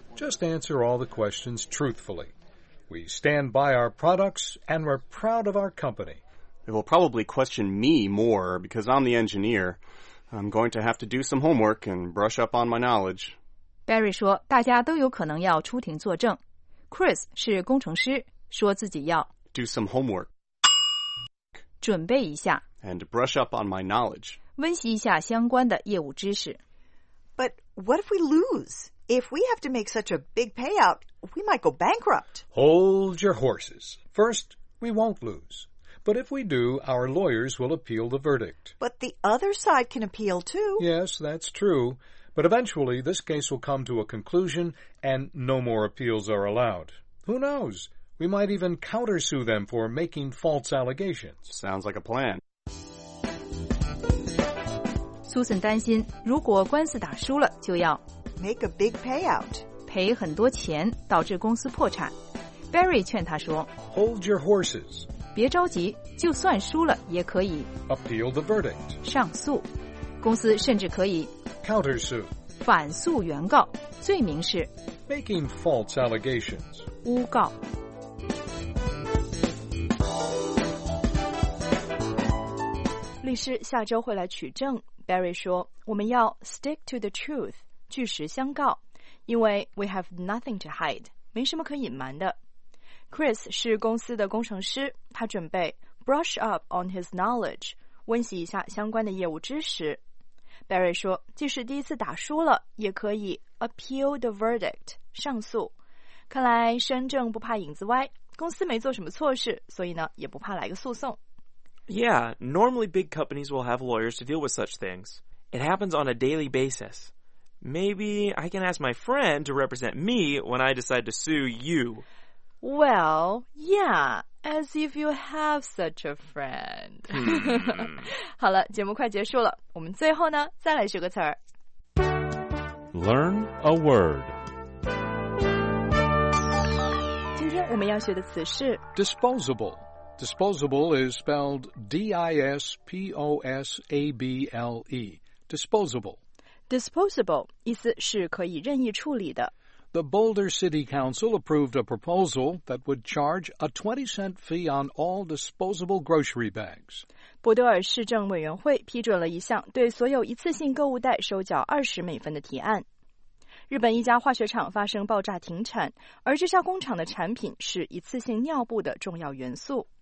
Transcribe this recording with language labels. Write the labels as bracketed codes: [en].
[en] Just answer all the questions truthfully. We stand by our products and we're proud of our company. They will probably question me more because I'm the engineer. I'm going to have to do some homework and brush up on my knowledge. [zh] Barry 说大家都有可能要出庭作证。Chris 是工程师，说自己要 [en] do some homework. [zh] 准备一下 [en] and brush up on my knowledge. [zh] 温习一下相关的业务知识。 [en] But what if we lose? If we have to make such a big payout, we might go bankrupt. Hold your horses. First, we won't lose. But if we do, our lawyers will appeal the verdict. But the other side can appeal too. Yes, that's true. But eventually, this case will come to a conclusion and no more appeals are allowed. Who knows? We might even countersue them for making false allegations. Sounds like a plan. [zh] Susan 担心，如果官司打输了，就要 [en] Make a big payout. [zh] 赔很多钱导致公司破产。Barry 劝他说 [en] Hold your horses. [zh] 别着急，就算输了也可以 [en] appeal the verdict [zh] 上诉，公司甚至可以 [en] counter sue [zh] 反诉原告，罪名是 [en] making false allegations [zh] 诬告。律师下周会来取证， Barry 说我们要 [en] stick to the truth [zh] 据实相告，因为 [en] we have nothing to hide [zh] 没什么可隐瞒的。 Chris 是公司的工程师，他准备 [en] brush up on his knowledge [zh] 温习一下相关的业务知识。 Barry 说即使第一次打输了也可以 [en] appeal the verdict [zh] 上诉，看来身正不怕影子歪，公司没做什么错事，所以呢也不怕来个诉讼。 [en] Yeah, normally big companies will have lawyers to deal with such things. It happens on a daily basis. Maybe I can ask my friend to represent me when I decide to sue you. Well, yeah, as if you have such a friend. [zh] 好了，节目快结束了，我们最后呢，再来学个词儿。 [en] Learn a word. [zh] 今天我们要学的词是 [en] disposable. Disposable is spelled D-I-S-P-O-S-A-B-L-E, disposable. [zh] Disposable, 意思是可以任意处理的。 [en] The Boulder City Council approved a proposal that would charge a 20-cent fee on all disposable grocery bags. [zh] 伯德尔市政委员会批准了一项对所有一次性购物袋收缴20美分的提案。日本一家化学厂发生爆炸停产，而这家工厂的产品是一次性尿布的重要元素。